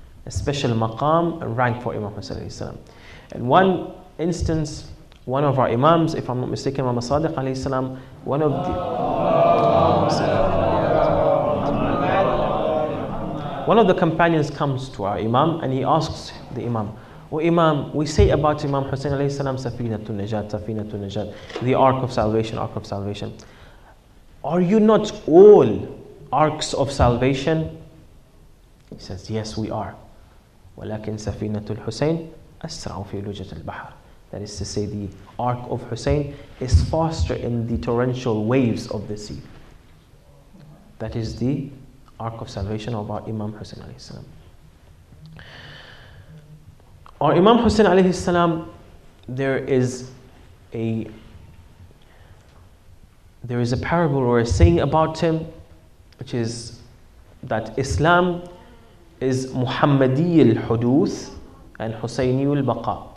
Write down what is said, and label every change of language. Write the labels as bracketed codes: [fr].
[en] A special maqam and rank for Imam Hussein alayhi salam. In one instance, one of our Imams, if I'm not mistaken, Imam Sadiq alayhi salam, one of the companions comes to our Imam and he asks the Imam, "O Imam, we say about Imam Hussein alayhi salam, safinatun najat, the ark of salvation, ark of salvation. Are you not all arks of salvation?" He says, "Yes, we are." [ar] ولكن سفينة الحسين أسرع في لجة البحر. [en] That is to say, the ark of Hussein is faster in the torrential waves of the sea. That is the ark of salvation of our Imam Hussein alayhi salam. Our Imam Hussein alayhi salam, there is a parable or a saying about him, which is that Islam is Muhammadi al-Huduth and Husayni al-Baqa.